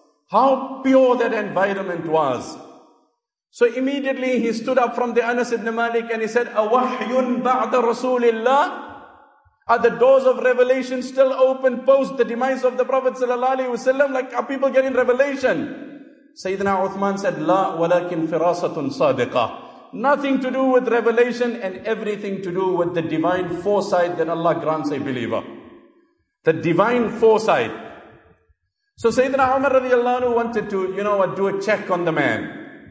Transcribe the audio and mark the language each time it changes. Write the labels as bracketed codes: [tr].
[en] How pure that environment was. So immediately he stood up from the Anas ibn Malik and he said, [ar] أَوَحْيٌ بَعْدَ رَسُولِ اللَّهِ [en] Are the doors of revelation still open post the demise of the Prophet ﷺ? Like, are people getting revelation? Sayyidina Uthman said, [ar] لا ولكن فراسة صادقة. [en] Nothing to do with revelation and everything to do with the divine foresight that Allah grants a believer. The divine foresight. So Sayyidina Umar radiallahu anhu wanted to, you know what, do a check on the man.